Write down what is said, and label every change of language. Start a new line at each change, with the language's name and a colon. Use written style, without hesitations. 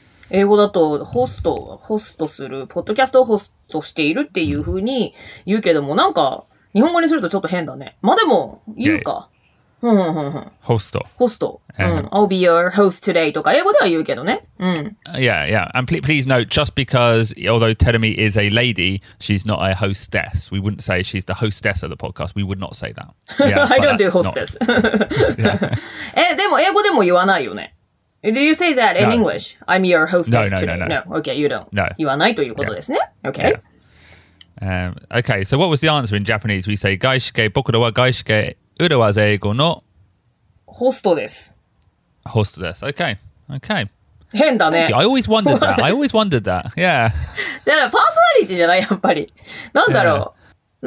Japanese: 英語だとホスト、ホストする、ポッドキャストをホストしているっていうふうに言うけども、なんか日本語にするとちょっと変だね。まあでも言うか。ホスト。ホスト。
English: I'll be your host today
Japanese: とか英語では言うけどね。
English: Yeah. And please note, just because, although Terumi is a lady, she's not a hostess. We wouldn't say she's the hostess of the podcast. We would not say that. Yeah, I don't do hostess.
Japanese: でも英語でも言わないよね。
English: Do you say that in English? I'm your hostess today. No. Okay, you don't. No.
Japanese: 言わないということですね。
English: Okay. Okay, so what was the answer in Japanese? We say,
Japanese: 外資系、僕らは外資系、裏は英語の... ホストです。ホストです。
English: Okay.
Japanese: 変だね。
English: I always wondered that. Yeah.
Japanese: じゃあパーソナリティじゃない、やっぱり。なんだろう?